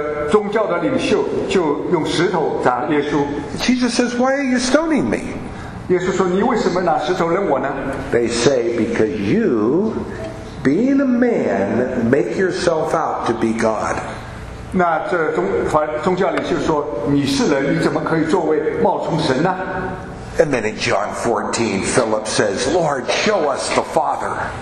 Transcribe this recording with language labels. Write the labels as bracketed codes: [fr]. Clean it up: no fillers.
[zh] 宗教的领袖就用石头砸耶稣。 [en] Jesus says, "Why are you stoning me?" [zh] 耶稣说，你为什么拿石头扔我呢？ [en] They say, because you, being a man, make yourself out to be God. [zh] 那这宗教领袖说，你是人，你怎么可以作为冒充神呢？ [en] And then in John 14, Philip says, Lord, show us the Father.